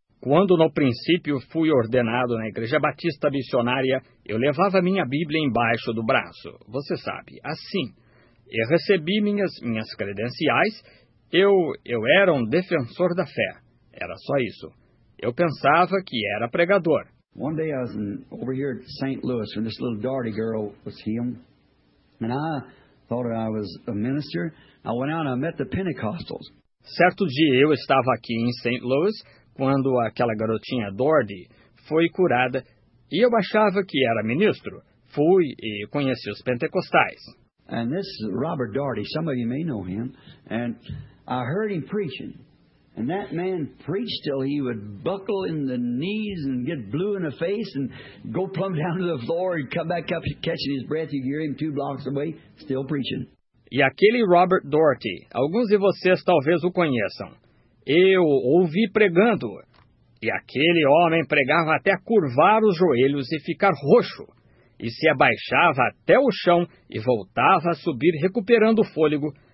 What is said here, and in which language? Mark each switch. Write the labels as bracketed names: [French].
[Portuguese] Quando no princípio fui ordenado na Igreja Batista Missionária, eu levava minha Bíblia embaixo do braço, você sabe, assim. E recebi minhas credenciais, eu era um defensor da fé. Era só isso. Eu pensava que era pregador. [English] One day I was over here at St. Louis when this little Darty girl was healed. And I thought I was a minister. I went out and I met the Pentecostals. [Portuguese] Certo dia eu estava aqui em St. Louis quando aquela garotinha Dordy foi curada e eu achava que era ministro. Fui e conheci os pentecostais. [English] And this is Robert Dordy. Some of you may know him. And I heard him preaching. And that man preached till he would buckle in the knees and get blue in the face and go plumb down to the floor and come back up catching his breath. You'd hear him two blocks away, still preaching. [Portuguese] e aquele Robert Doherty. Alguns de vocês talvez o conheçam. Eu ouvi pregando, e aquele homem pregava até curvar os joelhos e ficar roxo, e se abaixava até o chão e voltava a subir recuperando o fôlego.